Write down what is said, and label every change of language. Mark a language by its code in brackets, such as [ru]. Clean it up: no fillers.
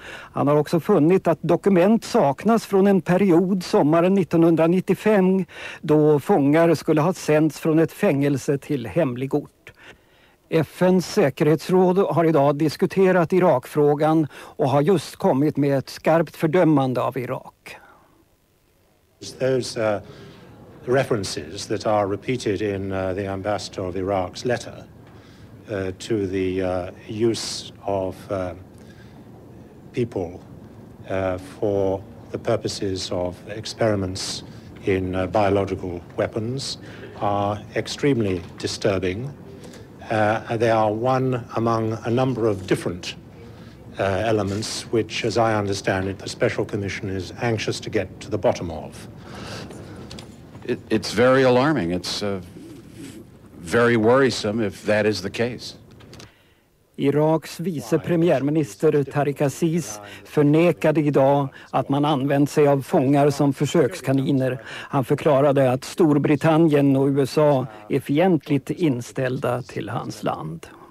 [sv] Han har också funnit att dokument saknas från en period sommaren 1995 då fångar skulle ha sänts från ett fängelse till hemlig ort. FNs säkerhetsråd har idag diskuterat Irakfrågan och har just kommit med ett skarpt fördömande av Irak. [en] Those references that are repeated in the ambassador of Iraq's letter to the use of people for the purposes of experiments in biological weapons are extremely disturbing. They are one among a number of different elements which, as I understand it, the Special Commission is anxious to get to the bottom of. It's very alarming. It's very worrisome if that is the case. [sv] Iraks vice premiärminister Tariq Aziz förnekade idag att man använt sig av fångar som försökskaniner. Han förklarade att Storbritannien och USA är fientligt inställda till hans land.